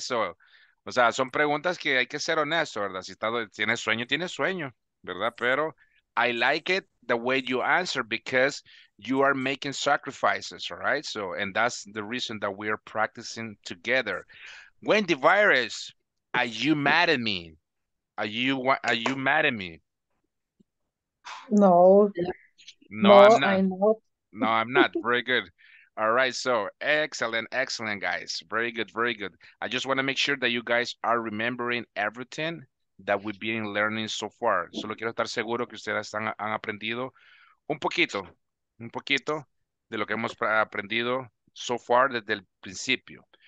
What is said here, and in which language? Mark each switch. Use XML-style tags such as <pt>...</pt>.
<es>So, o sea, son preguntas que hay que ser honesto, ¿verdad? Si está, tiene sueño, ¿verdad? Pero</es> <en>I like it the way you answer because you are making sacrifices, all right? So, and that's the reason that we are practicing together. Wendy Virus, are you mad at me? Are you mad at me? No. No, I'm not. No, I'm not. Very good. All right, so excellent, excellent, guys. Very good, very good. I just want to make sure that you guys are remembering everything that we've been learning so far.</en> <es>Solo quiero estar seguro que ustedes han aprendido un poquito de lo que hemos aprendido</es> <en>so far</en> <es>desde el principio.</es>